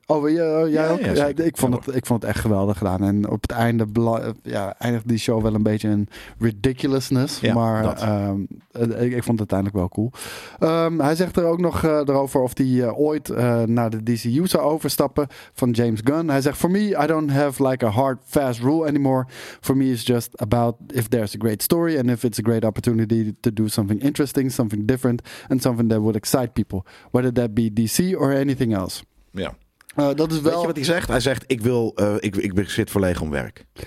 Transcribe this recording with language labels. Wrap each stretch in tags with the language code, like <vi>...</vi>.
<nl>Oh, ik vond het echt geweldig gedaan. En op het einde eindigde die show wel een beetje in ridiculousness. Ja, maar ik vond het uiteindelijk wel cool. Hij zegt er ook nog over of hij ooit naar de DCU zou overstappen van James Gunn. Hij zegt,</nl> <en>for me, I don't have like a hard, fast rule anymore. For me, it's just about if there's a great story and if it's a great opportunity to do something interesting, something different and something that would excite people. Whether that be DC or anything else.</en> <nl>Ja. Dat is wel... Weet je wat hij zegt? Hij zegt, ik zit verlegen om werk.</nl>